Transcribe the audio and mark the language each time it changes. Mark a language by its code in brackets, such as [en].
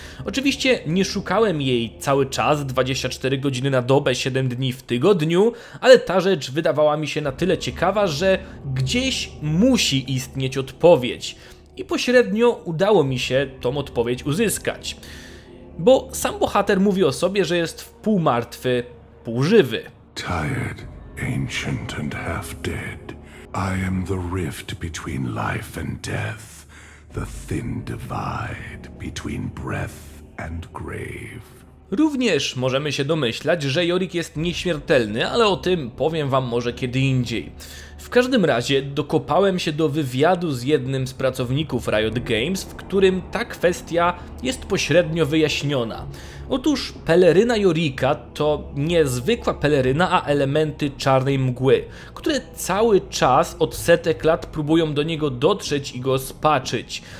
[pl] Oczywiście nie szukałem jej cały czas, 24 godziny na dobę, 7 dni w tygodniu, ale ta rzecz wydawała mi się na tyle ciekawa, że gdzieś musi istnieć odpowiedź. I pośrednio udało mi się tą odpowiedź uzyskać. Bo sam bohater mówi o sobie, że jest wpół martwy, pół żywy. [en] Tired, ancient and half dead. I am the rift between life and death. The thin divide between breath and grave. [pl] Również możemy się domyślać, że Yorick jest nieśmiertelny, ale o tym powiem wam może kiedy indziej. W każdym razie dokopałem się do wywiadu z jednym z pracowników Riot Games, w którym ta kwestia jest pośrednio wyjaśniona. Otóż peleryna Yoricka to nie zwykła peleryna, a elementy czarnej mgły, które cały czas od setek lat próbują do niego dotrzeć i go spaczyć.